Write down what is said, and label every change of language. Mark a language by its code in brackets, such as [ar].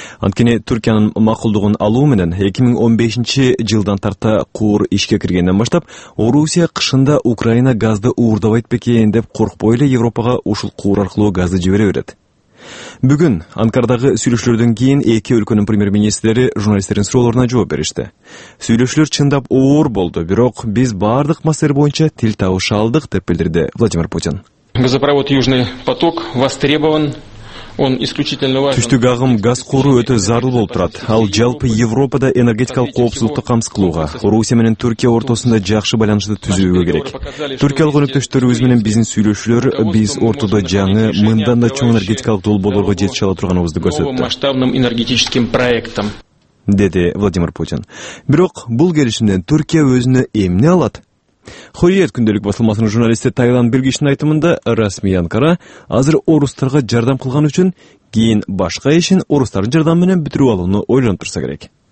[ky] Анткени Түркиянын макулдугун алуу менен 2015-жылдан тарта куур ишке киргенден баштап, Орусия кышында Украина газды уурдап айтпекен деп коркпой эле Европага ушул куур аркылуу газды жибере берет. Бүгүн Анкарадагы сүйлөшүүлөрдөн кийин эки өлкөнүн премьер министрлери журналисттердин суроолоруна жооп беришти. Сүйлөшүүлөр чындап оор болду, бирок биз баардык маселе боюнча тил табыша алдык, деп билдирди Владимир Путин. [ru] Газопровод Южный поток востребован. [ky] Түштүк агым газ куру өтө зарыл болуп турат. Ал жалпы Европада энергетикалык коопсуздукту камсыз кылууга, Орусия менен Түркия ортосунда жакшы байланышты түзүүгө керек. Түркиялык өнөктөштөрүбүз менен биздин сүйлөшүүлөр биз ортодо жаңы, мындан да чоң энергетикалык долбоорлорго жетише ала турганыбызды көрсөттү, [ru] масштабным энергетическим проектом, [ky] деди Владимир Путин. Бирок бул келишимден Түркия өзүнө эмне алат? Хурриет күндөлүк басылмасынын журналисти Тайлан Биргичтин айтымында, расмий Анкара азыр орустарга жардам кылган үчүн кийин башка ишин орустардын жардамы менен бүтүрүп алууну ойлонуп турса керек.